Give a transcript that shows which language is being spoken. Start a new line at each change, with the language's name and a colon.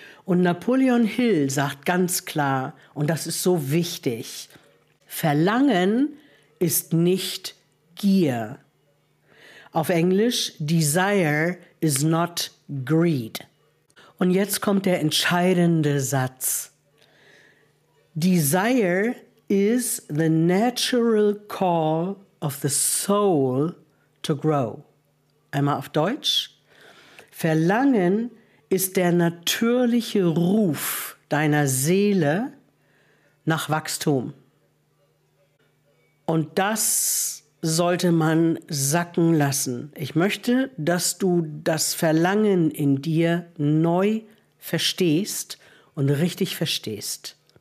German: Und Napoleon Hill sagt ganz klar, und das ist so wichtig, Verlangen ist nicht Gier. Auf Englisch,
English: desire is not greed.
German: Und jetzt kommt der entscheidende Satz.
English: Desire is the natural call of the soul to grow.
German: Einmal auf Deutsch. Verlangen ist der natürliche Ruf deiner Seele nach Wachstum. Und das sollte man sacken lassen. Ich möchte, dass du das Verlangen in dir neu verstehst und richtig verstehst.